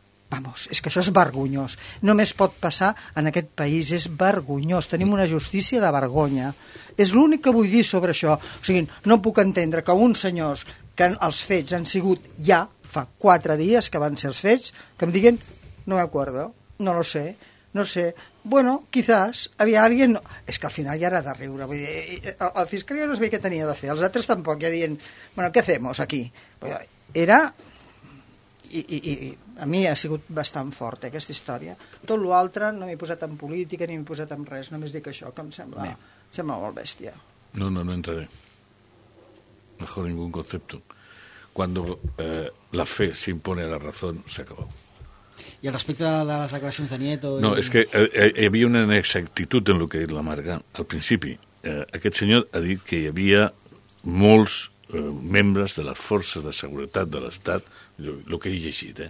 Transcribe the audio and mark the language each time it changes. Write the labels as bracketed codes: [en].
[ca] Vamos, és que això és vergonyós. Només pot passar en aquest país, és vergonyós. Tenim una justícia de vergonya. És l'únic que vull dir sobre això. O sigui, no puc entendre que uns senyors, que els fets han sigut ja fa 4 dies que van ser els fets, que em diguin, [es] no me acuerdo, no lo sé, no sé. Bueno, quizás havia alguien... [ca] És que al final ja era de riure. Vull dir, el fiscal ja no sabia què tenia de fer. Els altres tampoc, ja dient, [es] bueno, què hacemos aquí? [ca] Era... I a mi ha sigut bastant fort aquesta història. Tot l'altre no m'he posat en política ni m'he posat en res. Només dic això, que em sembla molt bèstia. No entraré. [es] Mejor ningún concepto. Cuando la fe se impone a la razón, se acabó. [ca] I al respecte de les declaracions de Nieto... No, és que hi havia una inexactitud en el que ha dit la Marga al principi. Aquest senyor ha dit que hi havia molts membres de les forces de seguretat de l'Estat, el que he llegit,